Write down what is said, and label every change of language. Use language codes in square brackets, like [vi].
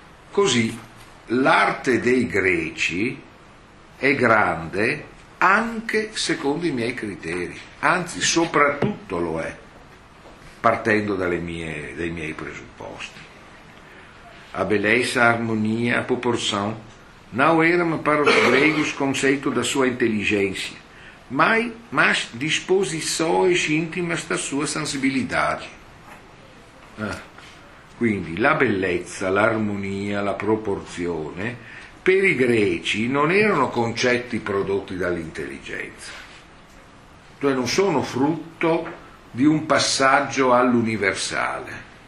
[it] Così l'arte dei greci è grande anche secondo i miei criteri, anzi soprattutto lo è, partendo dalle mie, dai miei presupposti. [pt] A bellezza, armonia, proporção, não eram para os gregos conceito da sua intelligência, mas disposições íntimas da sua sensibilidade. [it] Quindi la bellezza, l'armonia, la proporzione, per i greci non erano concetti prodotti dall'intelligenza, cioè non sono frutto di un passaggio all'universale.